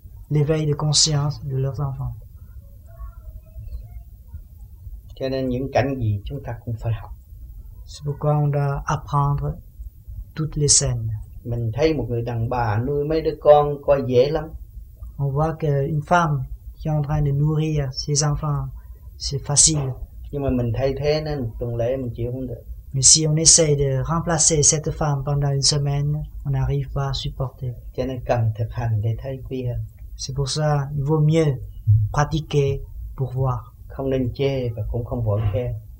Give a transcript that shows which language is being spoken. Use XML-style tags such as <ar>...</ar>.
<fr>L'éveil de conscience de leurs enfants.</fr> <vi>Cho nên những cảnh gì chúng ta cũng phải học.</vi> <fr>C'est pourquoi on doit apprendre toutes les scènes.</fr> <vi>Mình thấy một người đàn bà nuôi mấy đứa con coi dễ lắm.</vi> <fr>On voit qu'une femme qui est en train de nourrir ses enfants c'est facile.</fr> <vi>Nhưng mà mình thay thế nên tuần lễ mình chịu không được.</vi> <fr>Mais si on essaye de remplacer cette femme pendant une semaine, on n'arrive pas à supporter.</fr> <vi>Cho nên cần thực hành để thấy quý hơn.</vi> <fr>C'est pour ça, il vaut mieux pratiquer pour voir.</fr> <vi>Không nên chê và cũng không vội khen.</vi>